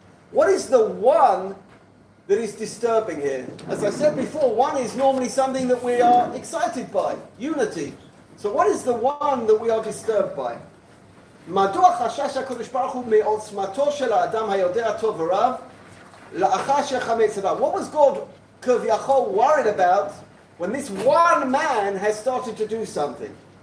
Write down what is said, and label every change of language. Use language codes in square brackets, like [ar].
[en] What is the one that is disturbing here? As I said before, one is normally something that we are excited by, unity. So what is the one that we are disturbed by? [he] מדוע חשש הקדוש ברוך הוא מעוצמתו של האדם היודע טוב ורב לאחר שחמץ אדם? [en] What was God כביכול worried about when this one man has started to do something?